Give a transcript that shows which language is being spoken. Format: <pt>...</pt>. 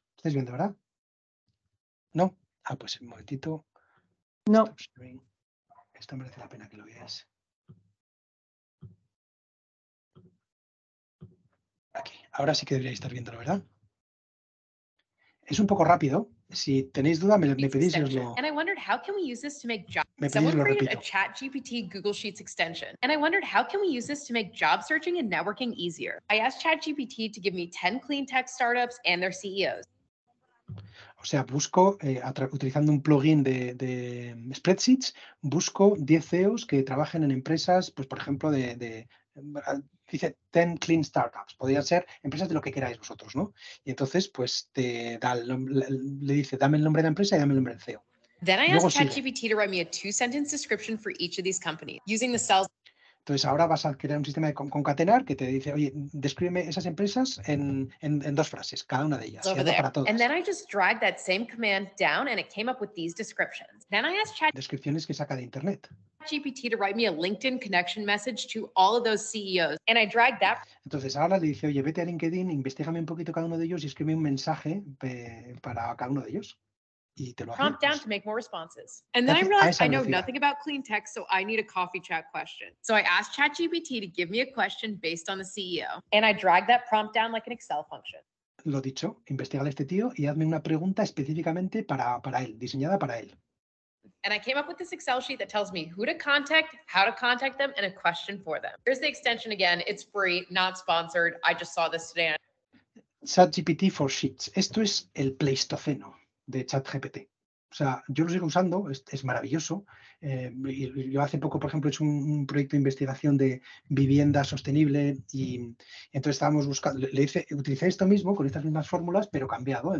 <es>¿Estáis viendo, verdad? ¿No? Ah, pues un momentito. No. Esto merece la pena que lo veáis. Aquí. Ahora sí que deberíais estar viéndolo, ¿verdad? Es un poco rápido. Si tenéis duda, me pedís y os lo...</es> <en>And I wondered how can we use this to make jobs...</en> <es>Me pedís, lo repito.</es> <en>Someone created a ChatGPT Google Sheets extension. And I wondered how can we use this to make job searching and networking easier. I asked ChatGPT to give me 10 clean tech startups and their CEOs.</en> <es>O sea, busco, utilizando un plugin de Spreadsheets, busco 10 CEOs que trabajen en empresas, pues por ejemplo, dice 10 clean startups, podrían ser empresas de lo que queráis vosotros, ¿no? Y entonces, pues, le dice, dame el nombre de la empresa y dame el nombre del CEO.</es> <en>Then I asked ChatGPT to write me a 2-sentence description for each of these companies using the cells.</en> <es>Entonces, ahora vas a crear un sistema de concatenar que te dice, oye, descríbeme esas empresas en dos frases, cada una de ellas. Para todas.</es> <en>And then I just dragged that same command down and it came up with these descriptions. Then I asked ChatGPT.</en> <es>Descripciones que saca de internet.</es> <en>GPT to write me a LinkedIn connection message to all of those CEOs. And I dragged that.</en> <es>Entonces, ahora le dice, oye, vete a LinkedIn, investigame un poquito cada uno de ellos y escribe un mensaje para cada uno de ellos. Y te lo hace.</es> <en>Prompt down to make more responses. And then I realized I know nothing about clean tech, so I need a coffee chat question. So I asked ChatGPT to give me a question based on the CEO. And I dragged that prompt down like an Excel function.</en> <es>Lo dicho, investiga a este tío y hazme una pregunta específicamente para él, diseñada para él.</es> <en>And I came up with this Excel sheet that tells me who to contact, how to contact them, and a question for them. Here's the extension again. It's free, not sponsored. I just saw this today. ChatGPT for Sheets.</en> <es>Esto es el pleistoceno de ChatGPT. O sea, yo lo sigo usando, es maravilloso. Yo hace poco, por ejemplo, he hecho un proyecto de investigación de vivienda sostenible y entonces estábamos buscando, utilicé esto mismo con estas mismas fórmulas, pero cambiado.</es>